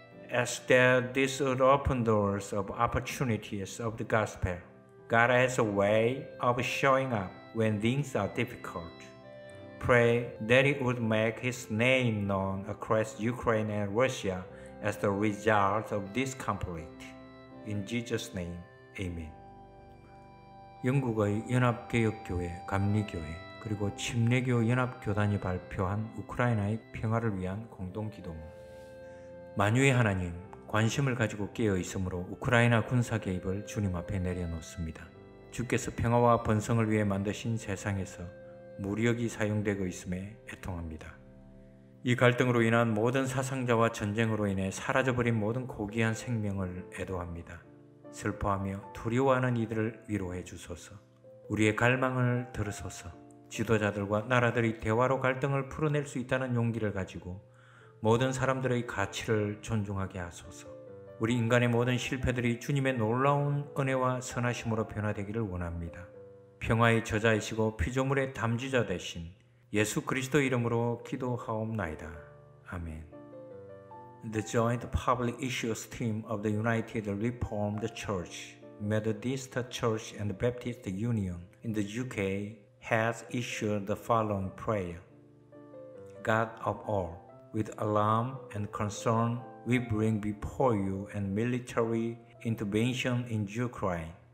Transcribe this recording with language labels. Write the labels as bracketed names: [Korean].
[English] As that this would open doors of opportunities of the gospel. God has a way of showing up when things are difficult. Pray that He would make His name known across Ukraine and Russia as the result of this conflict. In Jesus' name, Amen. [Korean] 영국의 연합개혁교회, 감리교회, 그리고 침례교 연합교단이 발표한 우크라이나의 평화를 위한 공동기도문. 만유의 하나님, 관심을 가지고 깨어있으므로 우크라이나 군사 개입을 주님 앞에 내려놓습니다. 주께서 평화와 번성을 위해 만드신 세상에서 무력이 사용되고 있음에 애통합니다. 이 갈등으로 인한 모든 사상자와 전쟁으로 인해 사라져버린 모든 고귀한 생명을 애도합니다. 슬퍼하며 두려워하는 이들을 위로해 주소서. 우리의 갈망을 들으소서. 지도자들과 나라들이 대화로 갈등을 풀어낼 수 있다는 용기를 가지고 모든 사람들의 가치를 존중하게 하소서. 우리 인간의 모든 실패들이 주님의 놀라운 은혜와 선하심으로 변화되기를 원합니다. 평화의 저자이시고 피조물의 담지자 되신 예수 그리스도 이름으로 기도하옵나이다. 아멘. [English] The Joint Public Issues Team of the United Reformed Church, Methodist Church and Baptist Union in the UK has issued the following prayer. God of all, with alarm and concern, we bring before you a military intervention in Ukraine.